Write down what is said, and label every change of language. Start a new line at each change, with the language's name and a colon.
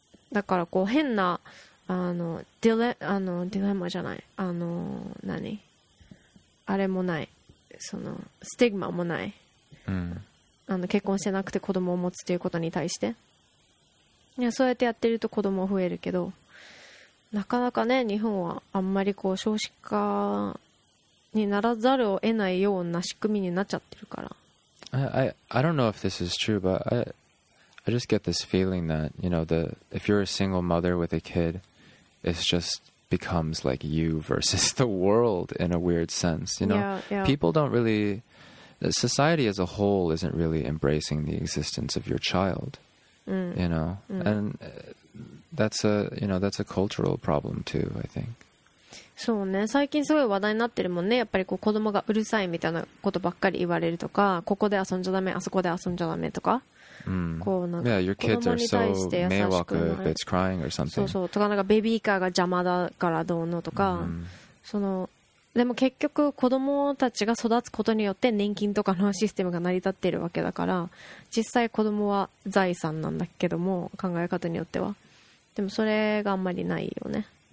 Japanese: だからこう変なディレマじゃない、何あれもない、そのスティグマもない、結婚してなくて子供を持つということに対して、いやそうやってやってると子供増えるけど、なかなかね日本はあんまりこう少子化にならざるを得ないような仕組みになっちゃってるから。
English: I don't know if this is true, but I just get this feeling that, you know, if you're a single mother with a kid, it just becomes like you versus the world in a weird sense, you know. Yeah. People don't really, society as a whole isn't really embracing the existence of your child, you know. And that's a, you know, that's a cultural problem too, I think.
Japanese: そうね、最近すごい話題になってるもんね、やっぱりこう子供がうるさいみたいなことばっかり言われるとか、ここで遊んじゃダメ、あそこで遊んじゃダメとか、こうなんか子供に対して優しくない、迷惑
English: if it's crying or something.
Japanese: そうそう、とかなんかベビーカーが邪魔だからどうのとか、そのでも結局子供たちが育つことによって年金とかのシステムが成り立ってるわけだから、実際子供は財産なんだけども、考え方によっては、でもそれがあんまりないよね。